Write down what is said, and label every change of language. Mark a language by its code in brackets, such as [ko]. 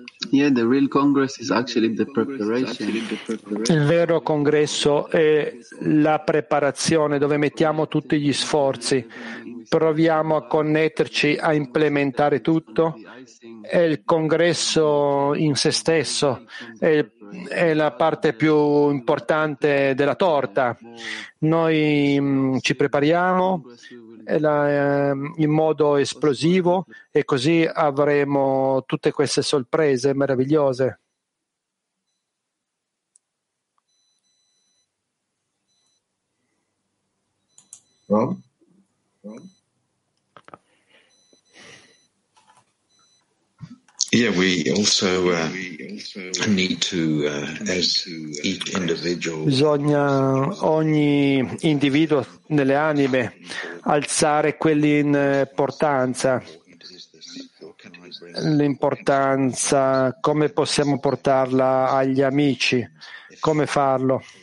[en] Yeah, the real congress is actually the preparation. [it] Il vero congresso è la preparazione dove mettiamo tutti gli sforzi, proviamo a connetterci, a implementare tutto. È il congresso in se stesso, è la parte più importante della torta. Noi ci prepariamo in modo esplosivo e così avremo tutte queste sorprese meravigliose. [en] Yeah, we also need to, as each individual, [it] bisogna ogni individuo nelle anime alzare quell'importanza, l'importanza, come possiamo portarla agli amici, come farlo.